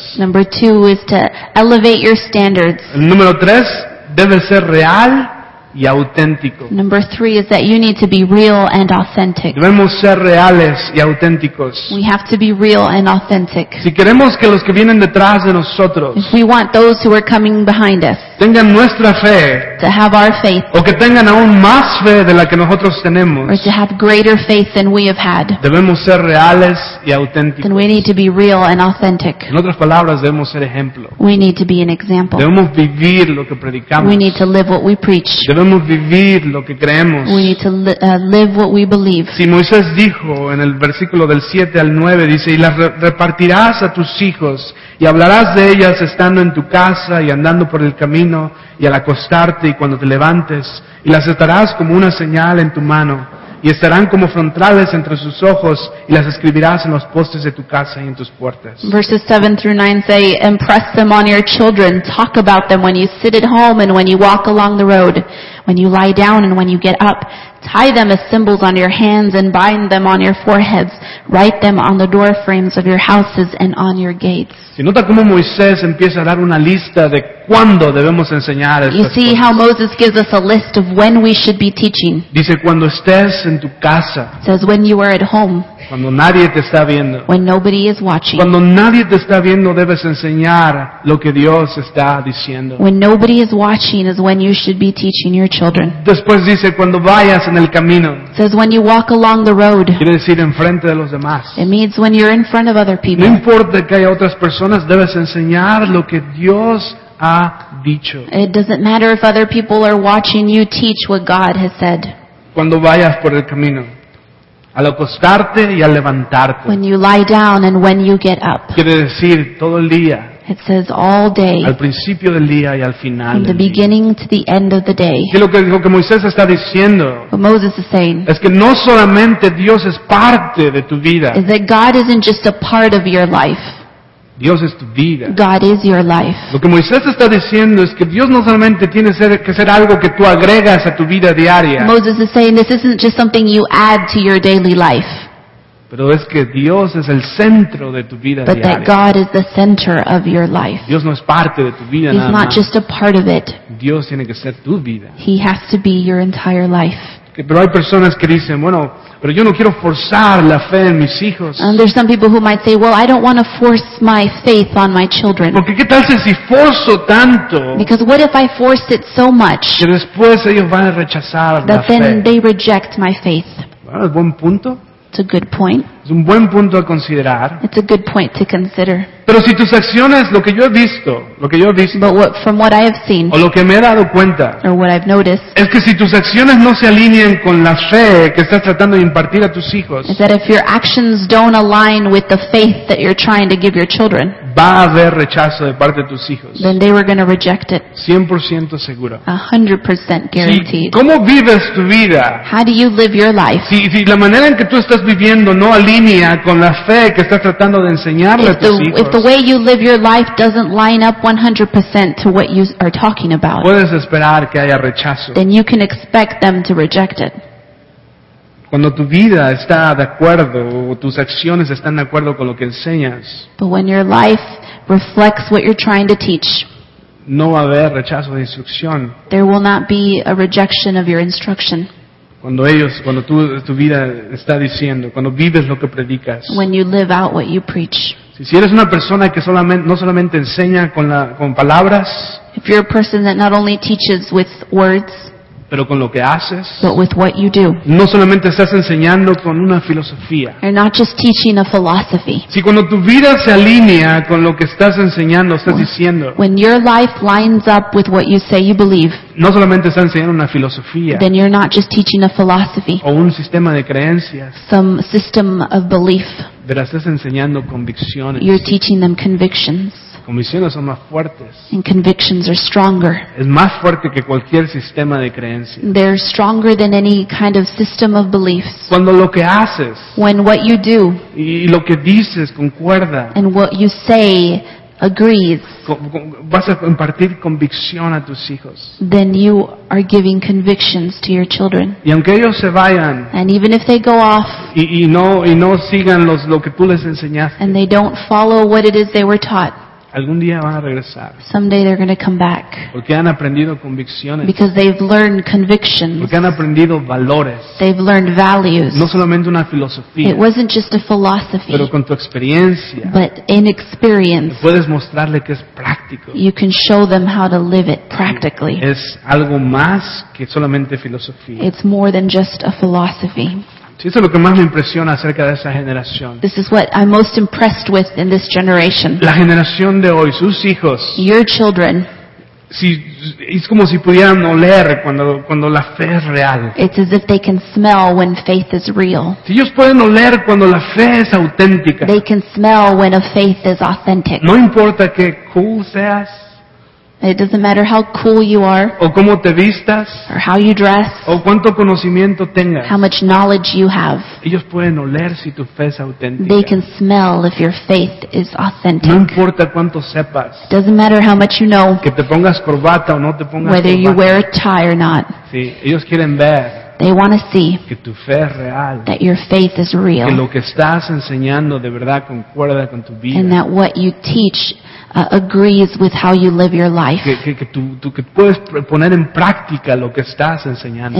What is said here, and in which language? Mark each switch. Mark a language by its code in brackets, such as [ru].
[en] Number two is to elevate your standards. [es] Número tres, debe ser real. Y [en] Number three is that you need to be real and authentic. [es] Debemos ser reales y auténticos. [en] We have to be real and authentic. [es] Si queremos que los que vienen detrás de nosotros, [en] if we want those who are coming behind us [es] tengan nuestra fe, [en] to have our faith, [es] o que tengan aún más fe de la que nosotros tenemos, [en] or to have greater faith than we have had, [es] debemos ser reales y auténticos. [en] Then we need to be real and authentic. [es] En otras palabras, debemos ser ejemplo. [en] We need to be an example. [es] Debemos vivir lo que predicamos. [en] We need to live what we preach. [es] Debemos vivir lo que creemos. [en] We need to live what we believe. [es] Si Moisés dijo en el versículo del 7 al 9, dice, y las repartirás a tus hijos, y hablarás de ellas estando en tu casa y andando por el camino, y al acostarte y cuando te levantes, y las estarás como una señal en tu mano, y estarán como frontales entre sus ojos, y las escribirás en los postes de tu casa y en tus puertas. [en] Verses 7 through 9 say, impress them on your children, talk about them when you sit at home and when you walk along the road, when you lie down and when you get up. Tie them as symbols on your hands and bind them on your foreheads. Write them on the door frames of your houses and on your gates. [es] Si nota cómo Moisés empieza a dar una lista de cuándo debemos enseñar estas [en] You see [es] cosas. [en] How Moses gives us a list of when we should be teaching. [es] Dice cuando estés en tu casa. [en] Says when you are at home. [es] Cuando nadie te está viendo. [en] When nobody is watching. [es] Cuando nadie te está viendo debes enseñar lo que Dios está diciendo. [en] When nobody is watching is when you should be teaching your children. [es] Después dice cuando vayas en el camino. [en] Says when you walk along the road. [es] Quiere decir enfrente de los demás. [en] It means when you're in front of other people. [es] No importa que haya otras personas, debes enseñar lo que Dios ha dicho. [en] It doesn't matter if other people are watching you teach what God has said. [es] Cuando vayas por el camino. Al acostarte y al levantarte. [en] When you lie down and when you get up. [es] Quiere decir todo el día. [en] It says all day. [es] Al principio del día y al final. [en] From the beginning to the end of the day. [es] Y lo que dijo que Moisés está diciendo. [en] What Moses is saying. [es] Es que no solamente Dios es parte de tu vida. [en] Is that God isn't just a part of your life. [es] Dios es tu vida. [en] God is your life. [es] Lo que Moisés está diciendo es que Dios no solamente tiene que ser algo que tú agregas a tu vida diaria. [en] Moses is saying this isn't just something you add to your daily life. [es] Pero es que Dios es el centro de tu vida [en] but [es] diaria. [en] But God is the center of your life. [es] Dios no es parte de tu vida [en] He's [es] nada más. [en] He's not just a part of it. [es] Dios tiene que ser tu vida. [en] He has to be your entire life. [es] Pero hay personas que dicen, bueno, pero yo no quiero forzar la fe en mis hijos. [en] And there's some people who might say, well, I don't want to force my faith on my children. [es] Porque qué tal si forzo tanto? [en] Because what if I force it so much? [es] Que después ellos van a rechazar la fe. [en] That then they reject my faith. [es] Bueno, es buen punto. [en] It's a good point. [es] Es un buen punto a considerar. [en] It's a good point to consider. [es] Pero si tus acciones, lo que yo he visto, [en] but what, from what I have seen, [es] o lo que me he dado cuenta, [en] or what I've noticed, [es] es que si tus acciones no se alinean con la fe que estás tratando de impartir a tus hijos, [en] is that if your actions don't align with the faith that you're trying to give your children, [es] va a haber rechazo de parte de tus hijos. [en] Then they were going to reject it. [es] 100% seguro. [en] 100% guaranteed. [es] Si, ¿cómo vives tu vida? [en] How do you live your life? [es] Si la manera en que tú estás viviendo no alinea con la fe que estás tratando de enseñarle a tus hijos, [en] if the way you live your life doesn't line up 100% to what you are talking about, [es] puedes esperar que haya rechazo. [en] Then you can expect them to reject it. [es] Cuando tu vida está de acuerdo o tus acciones están de acuerdo con lo que enseñas, [en] but when your life reflects what you're trying to teach, [es] no va a haber rechazo de instrucción. [en] There will not be a rejection of your instruction. [es] Cuando ellos, cuando tú, tu vida está diciendo, cuando vives lo que predicas. [en] When you live out what you preach. [es] Si eres una persona que solamente, no solamente enseña con, la, con palabras. [en] If you're a person that not only teaches with words. [es] Pero con lo que haces. [en] But with what you do. [es] No solamente estás enseñando con una filosofía. [en] You're not just teaching a philosophy. [es] Si cuando tu vida se alinea con lo que estás enseñando, estás diciendo. [en] When your life lines up with what you say you believe. [es] No solamente estás enseñando una filosofía. [en] Then you're not just teaching a philosophy. [es] O un sistema de creencias. [en] Some system of belief. [es] Pero estás enseñando convicciones. [en] You're teaching them convictions. [es] Convicciones son más fuertes. [en] And convictions are stronger. [es] Es más fuerte que cualquier sistema de creencias. [en] They're stronger than any kind of system of beliefs. [es] Cuando lo que haces. [en] When what you do. [es] Y lo que dices concuerda. [en] And what you say agrees. [es] Vas a impartir convicción a tus hijos. [en] Then you are giving convictions to your children. [es] Y aunque ellos se vayan. [en] And even if they go off. [es] Y no sigan los lo que tú les enseñaste. [en] And they don't follow what it is they were taught. [es] Algún día van a regresar. [en] Someday they're going to come back. [es] Porque han aprendido convicciones. [en] Because they've learned convictions. [es] Porque han aprendido valores. [en] They've learned values. [es] No solamente una filosofía. [en] It wasn't just a philosophy. [es] Pero con tu experiencia. [en] But in experience. [es] Puedes mostrarle que es práctico. [en] You can show them how to live it practically. [es] Es algo más que solamente filosofía. [en] It's more than just a philosophy. [es] Sí, eso es lo que más me impresiona acerca de esa generación. [en] This is what I'm most impressed with in this generation. [es] La generación de hoy, sus hijos. [en] Your children. [es] Si, es como si pudieran oler cuando la fe es real. [en] It's as if they can smell when faith is real. [es] Si ellos pueden oler cuando la fe es auténtica. [en] They can smell when a faith is authentic. [es] No importa qué cool seas. [en] It doesn't matter how cool you are, [es] o cómo te vistas, [en] or how you dress, [es] o cuánto conocimiento tengas, [en] how much knowledge you have. [es] Ellos pueden oler si tu fe es auténtica. [en] They can smell if your faith is authentic. [es] No importa cuánto sepas, [en] it doesn't matter how much you know, [es] que te pongas corbata o no te pongas [en] whether [es] corbata. [en] You wear a tie or not. [es] Sí, ellos quieren ver. [en] They want to see [es] que tu fe es real. [en] That your faith is real. [es] Que lo que estás enseñando de verdad concuerda con tu vida. [en] And that what you teach agrees with how you live your life. [es] Que puedes poner en práctica lo que estás enseñando.